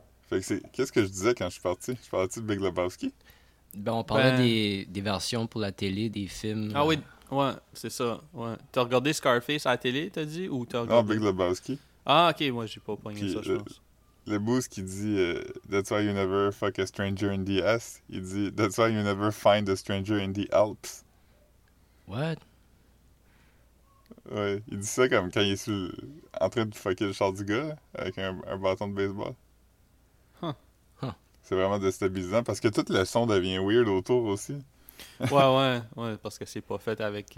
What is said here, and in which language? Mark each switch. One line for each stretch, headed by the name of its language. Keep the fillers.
French: Qu'est-ce que je disais quand je suis parti? Je parlais parti de Big Lebowski? Ben, on parlait ben... Des, des, versions pour la télé, des films. Ah euh... oui, ouais, c'est ça. Ouais. T'as regardé Scarface à la télé, t'as dit? Ou as Non, regardé... Big Lebowski. Ah, ok, moi j'ai pas poigné ça, le, je pense. Le boost qui dit euh,
English: That's why you never fuck a stranger in the ass.
French: Il dit
English: That's why you never find a stranger in the Alps. What?
French: Ouais, il dit ça comme quand il est su, en train de fucker le char du gars avec un, un bâton de baseball c'est vraiment déstabilisant parce que tout le son devient weird autour aussi. ouais, ouais, ouais, parce que c'est pas fait avec.